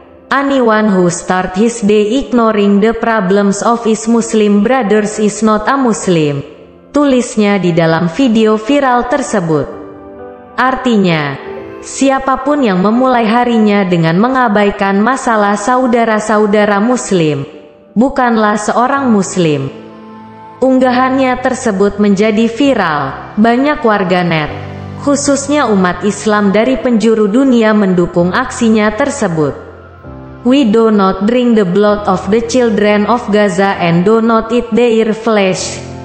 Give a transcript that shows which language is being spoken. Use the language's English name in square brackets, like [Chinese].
[English] Anyone who start his day ignoring the problems of his Muslim brothers is not a Muslim. [Indonesian] Tulisnya di dalam video viral tersebut. Artinya, siapapun yang memulai harinya dengan mengabaikan masalah saudara-saudara Muslim, bukanlah seorang Muslim. Unggahannya tersebut menjadi viral. Banyak warganet, khususnya umat Islam dari penjuru dunia mendukung aksinya tersebut. [English] We do not drink the blood of the children of Gaza and do not eat their flesh.